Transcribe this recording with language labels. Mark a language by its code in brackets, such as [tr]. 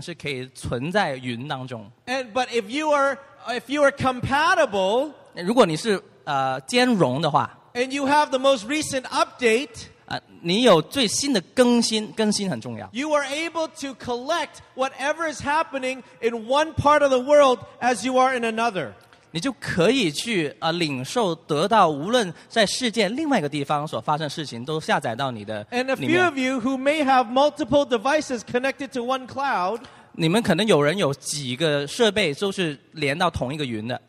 [zh] 不但是苹果，也透过很多其他的科技，我们能明白，终于确实明白为什么有些事情是可以存在云当中。 [en] But if you are compatible, [zh] 如果你是兼容的话， [en] and you have the most recent update, [zh] 你有最新的更新，更新很重要。 [en] You are able to collect whatever is happening in one part of the world as you are in another. [zh] 你就可以去领受得到，无论在世界另外一个地方所发生事情，都下载到你的里面。 [en] And a few of you who may have multiple devices connected to one cloud. [zh] 你们可能有人有几个设备都是连到同一个云的。